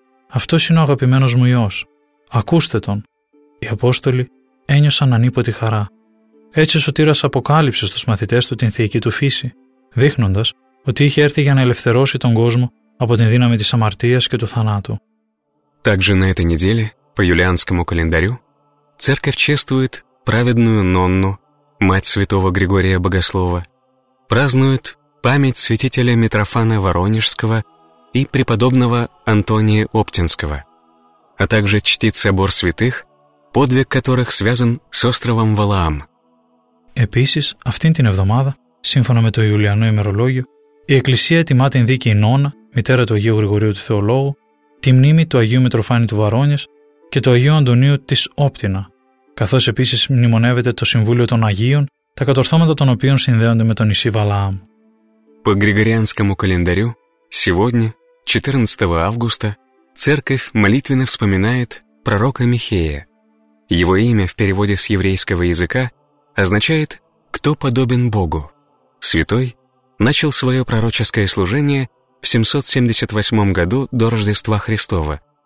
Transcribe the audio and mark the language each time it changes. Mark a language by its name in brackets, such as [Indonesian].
[Greek] Αυτός είναι ο αγαπημένος μου Υιός. Ακούστε τον. Οι Απόστολοι ένιωσαν ανίποτη χαρά. Έτσι ο Σωτήρας αποκάλυψε στους μαθητές του την θεϊκή του φύση, δείχνοντας ότι είχε έρθει για να ελευθερώσει τον κόσμο από την δύναμη της αμαρτίας και του θανάτου. [Russian] Также на этой неделе, по юлианскому календарю, церковь чествует праведную Нонну, мать святого Григория Богослова, празднует память святителя Митрофана Воронежского и преподобного Антония Оптинского, а также чтит собор святых, подвиг которых связан с островом Валаам. [Greek] Επίσης, αυτήν την εβδομάδα, σύμφωνα με το Ιουλιανό ημερολόγιο, η Εκκλησία τιμά την δίκη Νόνα, μητέρα του Αγίου Γρηγορίου του Θεολόγου, τη μνήμη του Αγίου Μητροφάνη του Βαρόνιας και του Αγίου Αντωνίου της Όπτινα, καθώς επίσης μνημονεύεται το Συμβούλιο των Αγίων, τα κατορθώματα των οποίων συνδέονται με το νησί Βαλάαμ. [Russian] По Григорианскому календарю, сегодня, 14 августа, церковь молитвенно вспоминает пророка Михея. Его имя в переводе с еврейского языка означает «Кто подобен Богу?». Святой начал свое пророческое служение в 778 году до Рождества Христова.